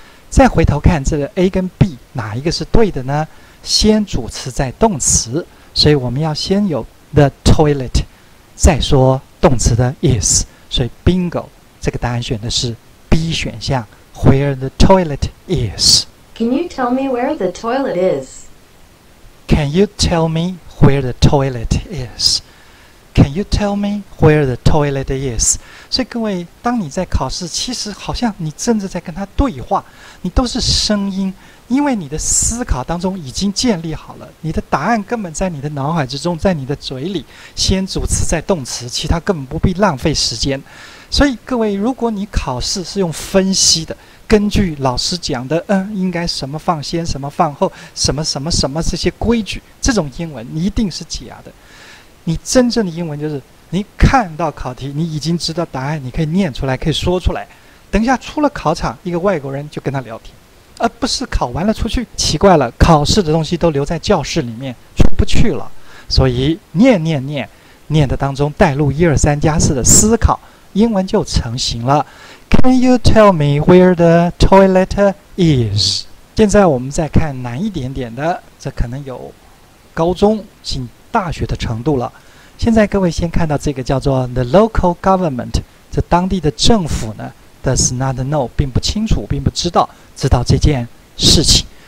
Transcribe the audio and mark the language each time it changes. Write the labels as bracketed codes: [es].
[zh] 再回头看这个 A 跟 B 哪一个是对的呢？先主词再动词，所以我们要先有 the toilet 再说动词的 is， 所以 bingo， 这个答案选的是 B 选项， where the toilet is。 [en] Can you tell me where the toilet is? Can you tell me where the toilet is? Can you tell me where the toilet is? [zh] 所以各位，当你在考试，其实好像你真的在跟他对话，你都是声音，因为你的思考当中已经建立好了，你的答案根本在你的脑海之中，在你的嘴里，先主词再动词，其他根本不必浪费时间。所以各位，如果你考试是用分析的，根据老师讲的，应该什么放先，什么放后，什么什么什么这些规矩，这种英文你一定是假的。你真正的英文就是你看到考题，你已经知道答案，你可以念出来，可以说出来，等一下出了考场，一个外国人就跟他聊天，而不是考完了出去。奇怪了，考试的东西都留在教室里面出不去了。所以念念念念的当中带入一二三加四的思考，英文就成型了。 [en] Can you tell me where the toilet is? [zh] 现在我们再看难一点点的，这可能有高中请大学的程度了。现在各位先看到这个叫做 the local government，这当地的政府呢 does not know，并不清楚，并不知道，知道这件事情。